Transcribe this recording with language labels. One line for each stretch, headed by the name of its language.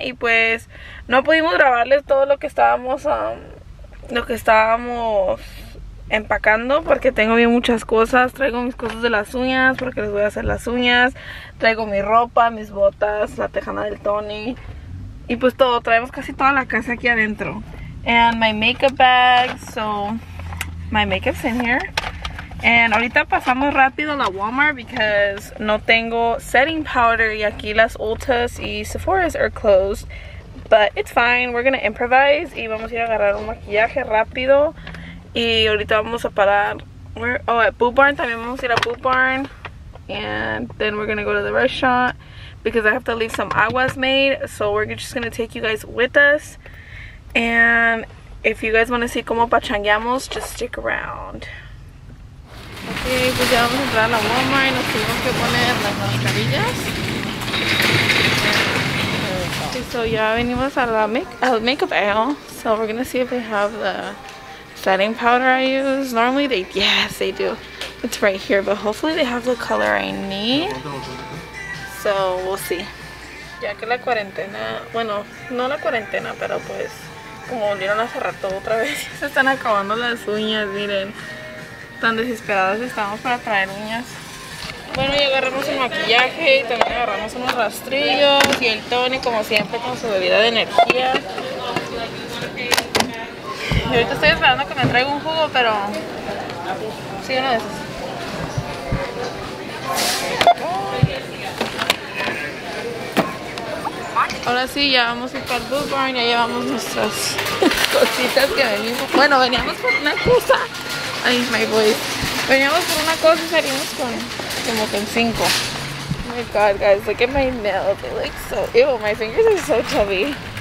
Spanish: Y pues no pudimos grabarles todo lo que estábamos... lo que estábamos empacando. Porque tengo bien muchas cosas. Traigo mis cosas de las uñas. Porque les voy a hacer las uñas. Traigo mi ropa, mis botas, la tejana del Tony. Y pues todo, traemos casi toda la casa aquí adentro.
English: And my makeup bag, so my makeup's in here.
Spanish: And ahorita pasamos rápido a la Walmart because no tengo
English: setting powder
Spanish: y aquí las Ultas y
English: Sephora's are closed. But it's fine, we're gonna improvise
Spanish: y vamos a ir a agarrar un maquillaje rápido. Y ahorita vamos a parar, at Boot Barn, también vamos a ir a Boot Barn.
English: And then we're gonna go to the restaurant. Because I have to leave some aguas made, so we're just gonna take you guys with us. And if you guys wanna see
Spanish: cómo pachangueamos,
English: just stick around.
Spanish: Okay, pues ya vamos a entrar a Walmart y nos tuvimos que poner las mascarillas. Okay, so ya venimos a la
English: makeup aisle. So we're gonna see if they have the setting powder I use. Normally they, yes, they do. It's right here, but hopefully they have the color I need. So, we'll see.
Spanish: Ya que la cuarentena, bueno, no la cuarentena, pero pues, como volvieron a cerrar todo otra vez, se están acabando las uñas, miren. Tan desesperadas estamos para traer uñas. Bueno, ya agarramos el maquillaje y también agarramos unos rastrillos y el Tony, como siempre, con su bebida de energía. Y ahorita estoy esperando que me traiga un jugo, pero... Sí, uno de esos. Ahora sí, ya vamos a ir para Boot Barn, ya llevamos nuestras cositas que venimos. Bueno, veníamos por una cosa. Ay,
English: my voice.
Spanish: Veníamos por una cosa y salimos con como con cinco.
English: Oh my god, guys, look at my nails. They look so ew, my fingers are so chubby.